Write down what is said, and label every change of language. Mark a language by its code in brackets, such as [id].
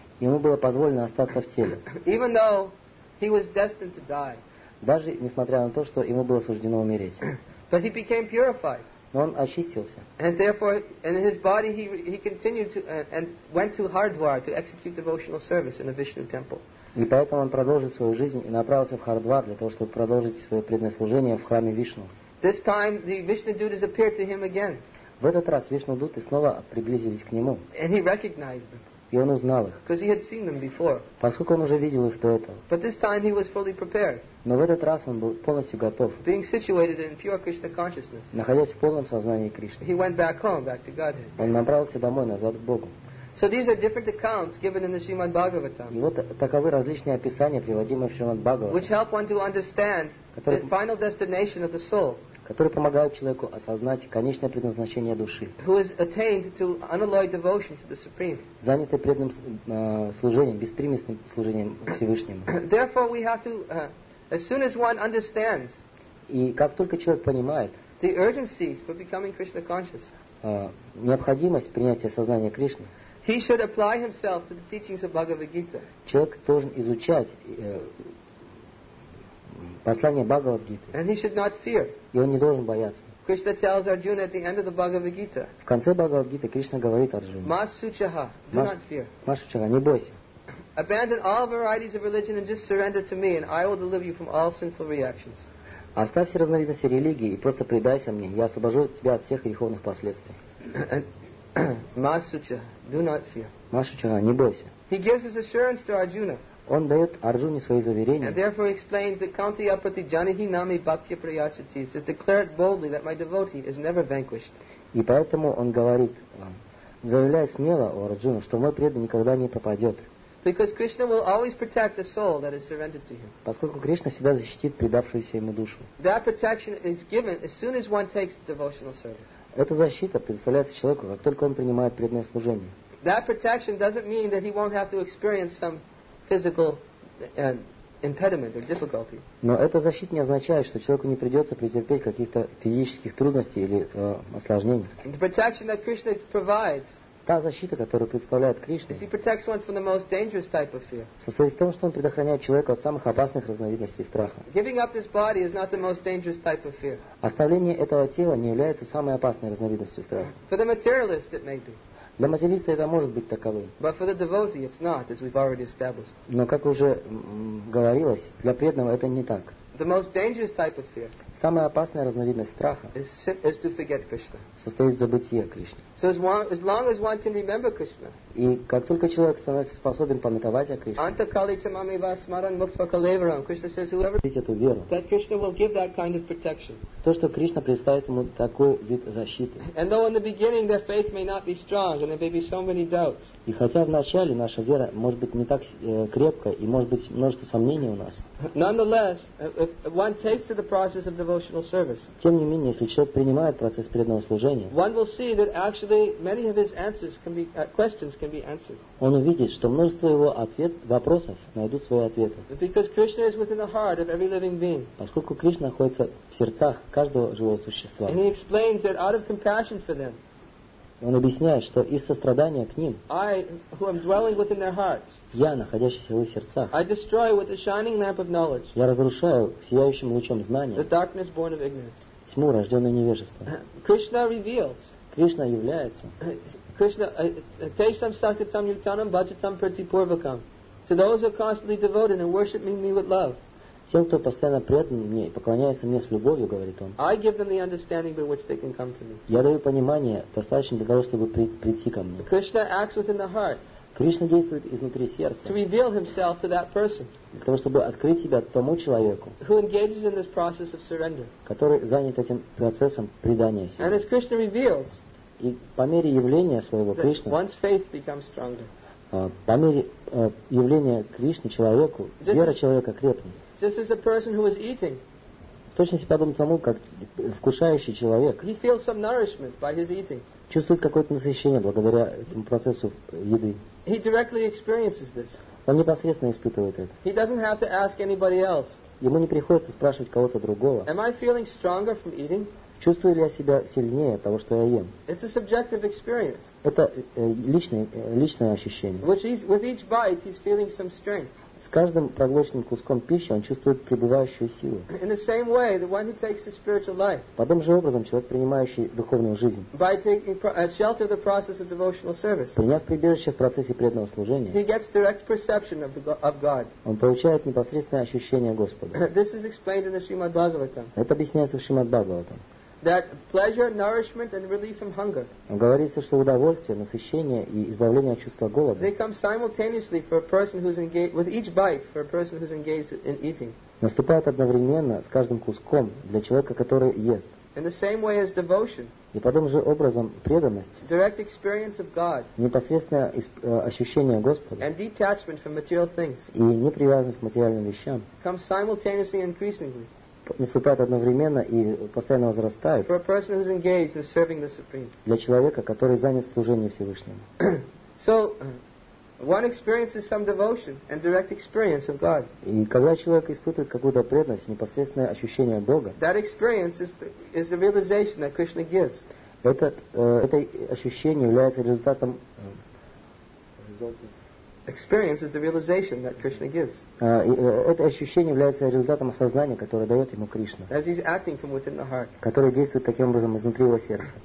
[ru] Ему было позволено остаться в теле. [en] Even though he was destined to die. [ru] Даже несмотря на то, что ему было суждено умереть. [en] But he became purified. [ru] Но он очистился. [en] And therefore, in his body, he continued to and went to Hardwar to execute devotional service in the Vishnu temple. [ru] И поэтому он продолжил свою жизнь и направился в Хардвар для того, чтобы продолжить свое преданное служение в храме Вишну. [en] This time the Vishnudutas appeared to him again. [ru] В этот раз Вишнудуты снова приблизились к нему. [en] And he recognized them. [ru] И он узнал их. [en] Because he had seen them before. [ru] Поскольку он уже видел их до этого. [en] But this time he was fully prepared. [ru] Но в этот раз он был полностью готов. [en] Being situated in pure Krishna consciousness. [ru] Находясь в полном сознании Кришны. [en] He went back home, back to Godhead. [ru] Он направился домой, назад к Богу. [en] So these are different accounts given in the Srimad Bhagavatam. [ru] И вот таковы различные описания, приводимые в Srimad Bhagavatam. [en] Which help one to understand the final destination of the soul. [ru] Которые помогают человеку осознать конечное предназначение души. [en] Who has attained to unalloyed devotion to the Supreme. [ru] Занятый преданным служением, беспримесным служением Всевышнему. [en] Therefore we have to, as soon as one understands. [ru] И как только человек понимает. [en] The urgency for becoming Krishna conscious. [ru] Необходимость принятия сознания Кришны. [en] He should apply himself to the teachings of Bhagavad Gita. [ru] Человек должен изучать послание Бхагавад Гиты. [en] And he should not fear. [ru] И он не должен бояться. [en] Krishna tells Arjuna at the end of the Bhagavad Gita. [ru] В конце Бхагавад Гиты Кришна говорит Арджуне. [en] Масучаха, do not fear. [ru] Масучаха, не бойся. [en] Abandon all varieties of religion and just surrender to me, and I will deliver you from all sinful reactions. [ru] Оставь все разновидности религии и просто предайся мне, я освобожу тебя от всех греховных последствий. [en] Масучаха, do not fear. [ru] Масучаха, не бойся. [en] He gives his assurance to Arjuna. [ru] он дает Арджуне свои заверения. [en] And therefore explains that [sa] Kanti apati janihi nami bhakya prayachati [en] says declared boldly that my devotee is never vanquished. [ru] И поэтому он говорит, заявляя смело о Арджуне, что мой преданный никогда не пропадет. [en] Because Krishna will always protect the soul that is surrendered to him. [ru] Поскольку Кришна всегда защитит предавшуюся ему душу. [en] That protection is given as soon as one takes the devotional service. [ru] Эта защита предоставляется человеку, как только он принимает преданное служение. [en] That protection doesn't mean that he won't have to experience some physical impediment or difficulty. [ru] Но эта защита не означает, что человеку не придется претерпеть каких-то физических трудностей или осложнений. [en] The protection that Krishna provides. [ru] Та защита, которую представляет Кришна, [en] he protects one from the most dangerous type of fear. [ru] Состоит в том, что он предохраняет человека от самых опасных разновидностей страха. [en] Giving up this body is not the most dangerous type of fear. [ru] Оставление этого тела не является самой опасной разновидностью страха. [en] For the materialist, it may be. [ru] Для материалиста это может быть таковым. [en] But for the devotee, it's not, as we've already established. [ru] Но, как уже говорилось, для преданного это не так. [en] The most dangerous type of fear. [ru] Самая опасная разновидность страха. [en] Is to forget Krishna. [ru] Состоит в забытии Кришны. [en] So as long as one can remember Krishna. [ru] И как только человек становится способен памятовать о Кришне. [sa] Antakali tamami vasmaran mukta kalevaram. [en] Krishna says whoever. [ru] Видит эту веру. [en] That Krishna will give that kind of protection. [ru] То, что Кришна предоставит ему такой вид защиты. [en] And though in the beginning their faith may not be strong and there may be so many doubts. [ru] И хотя вначале наша вера может быть не так крепкая и может быть множество сомнений у нас. [en] Nonetheless, if one takes to the process of devotional service. [ru] Тем не менее, если человек принимает процесс преданного служения. [en] One will see that actually many of his answers can be questions can be answered. [ru] Он увидит, что множество его вопросов найдут свои ответы. [en] Because Krishna is within the heart of every living being. [ru] Поскольку Кришна находится в сердцах каждого живого существа. [en] And he explains that out of compassion for them. [ru] Он объясняет, что из сострадания к ним [en] I, who am dwelling within their hearts, [ru] я, находящийся в их сердцах, [en] I destroy with the shining lamp of knowledge, [ru] я разрушаю сияющим лучом знания [en] the darkness born of ignorance. [ru] Тьму, рожденную невежеством. [en] Krishna reveals, [ru] Кришна является [en] Krishna, [sa] Tesham Sakitam Yutanam Bhajatam Pratipurvakam [en] to those who are constantly devoted and worshiping me with love. [ru] Тем, кто постоянно предан мне и поклоняется мне с любовью, говорит он. [en] I give them the understanding by which they can come to me. [ru] Я даю понимание, достаточно для того, чтобы прийти ко мне. [en] Krishna acts within the heart. [ru] Кришна действует изнутри сердца. [en] To reveal himself to that person. [ru] Для того, чтобы открыть себя тому человеку. [en] Who engages in this process of surrender. [ru] Который занят этим процессом предания себя. [en] And as Krishna reveals. [ru] И по мере явления своего Кришны. [en] One's faith becomes stronger. [ru] По мере явления Кришны человеку, just вера человека крепнет. [en] Just as a person who is eating. [ru] Точно себе подобно тому, как вкушающий человек. [en] He feels some nourishment by his eating. [ru] Чувствует какое-то насыщение благодаря этому процессу еды. [en] He directly experiences this. [ru] Он непосредственно испытывает это. [en] He doesn't have to ask anybody else. [ru] Ему не приходится спрашивать кого-то другого. [en] Am I feeling stronger from eating? [ru] Чувствую ли я себя сильнее от того, что я ем? [en] It's a subjective experience. [ru] Это личное ощущение. [en] With each bite, he's feeling some strength. [ru] С каждым проглоченным куском пищи он чувствует пребывающую силу. [en] In the same way, the one who takes the spiritual life. [ru] Подобным же образом человек, принимающий духовную жизнь. [en] By taking shelter of the process of devotional service. [ru] Приняв прибежище в процессе преданного служения. [en] He gets direct perception of God. [ru] Он получает непосредственное ощущение Господа. [en] This is explained in the Shrimad Bhagavatam. [ru] Это объясняется в Шримад Бхагаватам. [en] That pleasure, nourishment, and relief from hunger. [ru] Говорится, что удовольствие, насыщение и избавление от чувства голода. [en] They come simultaneously for a person who's engaged with each bite for a person who's engaged in eating. [ru] Наступает одновременно с каждым куском для человека, который ест. [en] In the same way as devotion. [ru] И подобным же образом преданность. [en] Direct experience of God. [ru] Непосредственное ощущение Господа. [en] And detachment from material things. [ru] И непривязанность к материальным вещам. [en] Come simultaneously, increasingly. [ru] Наступает одновременно и постоянно возрастает [en] for a person who's engaged in serving the Supreme. [ru] Для человека, который занят в служении Всевышнему. [en] So, one experiences some devotion and direct experience of God. [ru] И когда человек испытывает какую-то преданность, непосредственное ощущение Бога, [en] that experience is the realization that Krishna gives. [ru] Это ощущение является результатом [en] Experience is the realization that Krishna gives. [ru] Это ощущение является результатом осознания, которое дает ему Кришна. [en] As he's acting from within the heart. [ru] Который действует таким образом изнутри его сердца.